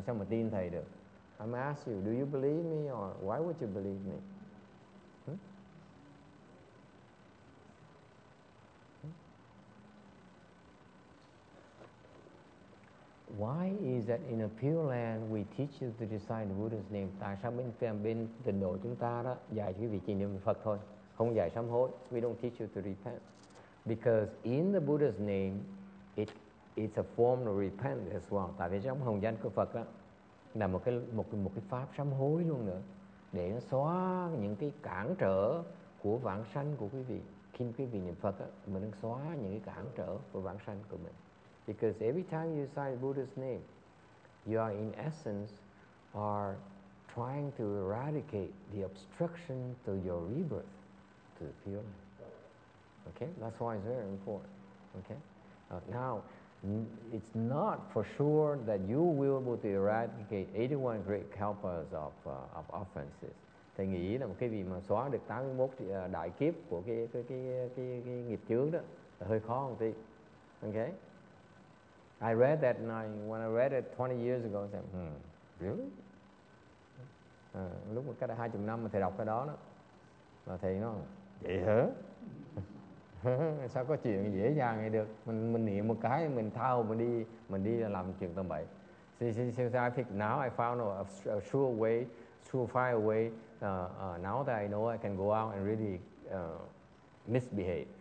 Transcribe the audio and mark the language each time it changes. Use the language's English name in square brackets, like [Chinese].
[Vietnamese] Sao mà tin thầy được? [English] I'm asking you, do you believe me or why would you believe me? Why is that in a Pure Land we teach you to recite the Buddha's name? [Vietnamese] Tại sao bên tịnh độ chúng ta đó dạy quý vị chỉ niệm Phật thôi, không dạy sám hối. [English] We don't teach you to repent. Because in the Buddha's name, it's a form of repent as well. [Vietnamese] Tại vì trong hồng danh của Phật đó là một cái pháp sám hối luôn nữa, để nó xóa những cái cản trở của vãng sanh của quý vị. Khi quý vị niệm Phật á, mình đang xóa những cái cản trở của vãng sanh của mình. [English] Because every time you say Buddha's name, you are in essence are trying to eradicate the obstruction to your rebirth to the Pure Land. Okay, that's why it's very important. Okay, now it's not for sure that you will be able to eradicate 81 great kalpas of offenses. [Vietnamese] Thầy nghĩ là một cái vị mà xóa được 81 đại kiếp của cái nghiệp chướng đó là hơi khó một tí. [English] Okay. I read that night when I read it 20 years ago. I said, really? [Vietnamese] Lúc mà cách đây 20 năm mà thầy đọc cái đó đó, là thầy nói, vậy hả? Sao có chuyện dễ dàng vậy được? Mình niệm một cái, mình thao, mình đi làm chuyện tầm bậy. [English] So I think now I found a sure way, surefire way. Now that I know, I can go out and really misbehave.